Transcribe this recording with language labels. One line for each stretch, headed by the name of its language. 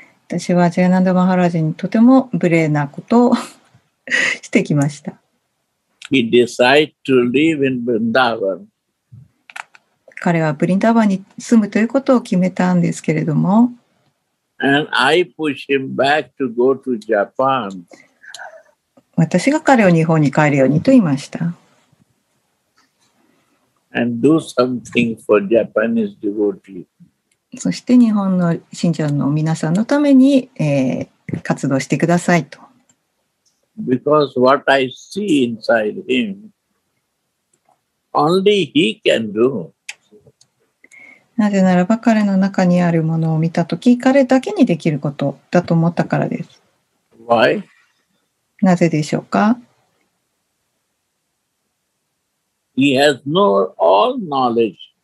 Japanese: 私はジャナンダ・マハラジにとても無礼なことをしてきました。
English: He decided to live in Vrindavan.
Japanese: 彼はブリンダーバンに住むということを決めたんですけれども。
English: And I push him back to go to Japan.
Japanese: 私が彼を日本に帰るようにと言いました。
English: And do something for Japanese devotees.
Japanese: そして日本の信者の皆さんのために、活動してくださいと。
English: Because what I see inside him, only he can do.
Japanese: なぜならば彼の中にあるものを見たとき、彼だけにできることだと思ったからです。
English: Why?
Japanese: なぜでしょうか?
English: He has no all knowledge.